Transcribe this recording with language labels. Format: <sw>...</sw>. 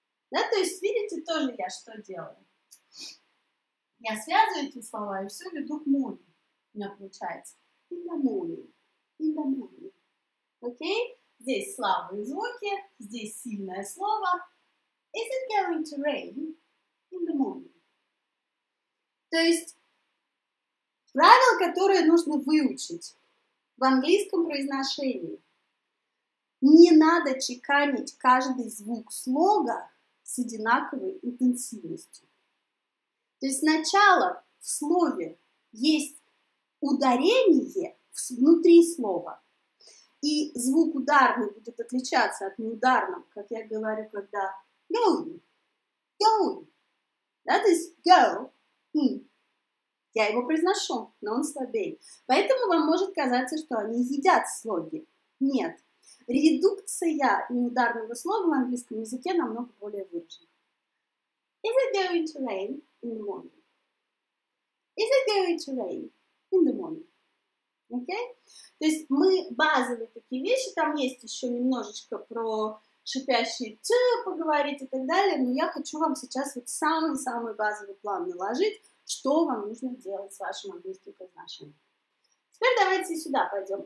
<ru>Да, то есть видите тоже я что делаю. Я связываю эти слова и все веду к morning. У меня получается</ru> <en>in the morning, in the morning.</en> <ru>Окей? Здесь слабые звуки, здесь сильное слово.</ru> <en>Is it going to rain in the morning?</en> <ru>То есть правило, которое нужно выучить в английском произношении. Не надо чеканить каждый звук слога с одинаковой интенсивностью. То есть сначала в слове есть ударение внутри слова. И звук ударный будет отличаться от неударного, как я говорю, когда</ru> <en>going, going, that is go,</en> <ru>я его произношу, но он слабее. Поэтому вам может казаться, что они едят слоги. Нет, редукция неударного слога в английском языке намного более выражена.</ru> <en>Is it going to rain in the morning? Is it going to rain in the morning? Okay?</en> <ru>То есть мы базовые такие вещи, там есть еще немножечко про шипящие «ть» поговорить и так далее, но я хочу вам сейчас вот самый-самый базовый план наложить, что вам нужно делать с вашим английским произношением. Теперь давайте сюда пойдем.</ru>